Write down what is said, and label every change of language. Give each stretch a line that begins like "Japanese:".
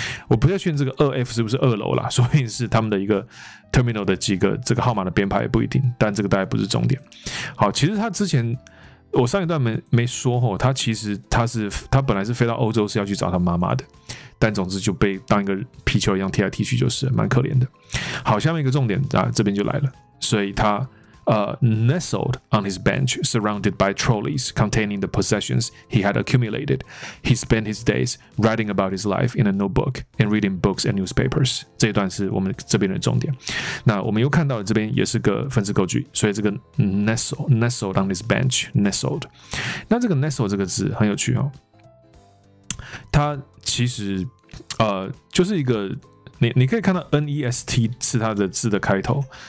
Chinese: 我不太确定这个2F 是不是二楼啦，说不定是他们的一个 terminal 的几个这个号码的编排也不一定，但这个大概不是重点。好，其实他之前我上一段没说哈，他本来是飞到欧洲是要去找他妈妈的，但总之就被当一个皮球一样踢来踢去，就是蛮可怜的。好，下面一个重点啊，这边就来了，所以他。
English: Nestled on his bench, surrounded by trolleys containing the possessions he had accumulated, he spent his days writing about his life in a notebook and reading books and newspapers.
Chinese: 这一段是我们这边的重点。那我们又看到了这边也是个分词构句，所以这个
English: nestled on his bench, nestled。
Chinese: 那这个 nestle 这个字很有趣哦，它其实就是一个你可以看到 nest 是它的字的开头。